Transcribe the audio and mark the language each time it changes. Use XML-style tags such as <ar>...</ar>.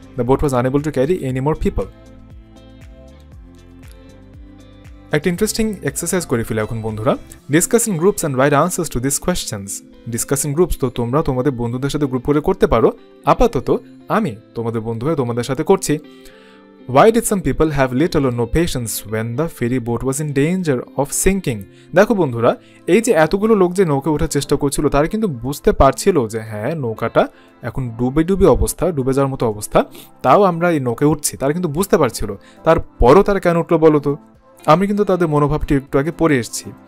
<en>The boat was unable to carry any more people.</en> <bn>একটা interesting exercise করে ফেলে এখন বন্ধুরা,</bn> <en>Discussing groups and write answers to this questions.</en> <bn>Discussing groups তো তোমরা তোমাদের বন্ধুদের সাথে গ্রুপ করে করতে পারো, আপাতত আমি তোমাদের বন্ধু হয়ে তোমাদের সাথে করছি।</bn> <en>Why did some people have little or no patience when the ferry boat was in danger of sinking?</en> <bn>দেখো বন্ধুরা, এই যে এতগুলো লোক যে নৌকে ওঠার চেষ্টা করছিল, তারা কিন্তু বুঝতে পারছিল যে হ্যাঁ নৌকাটা এখন ডুবে অবস্থা, ডুবে যাওয়ার মতো অবস্থা, তাও আমরা এই নৌকে উঠছি, তারা কিন্তু বুঝতে পারছিল। তারপরও তারা কেন উঠলো বলতো? আমি কিন্তু তাদের মনোভাবটি একটু আগে পড়ে এসেছি।</bn>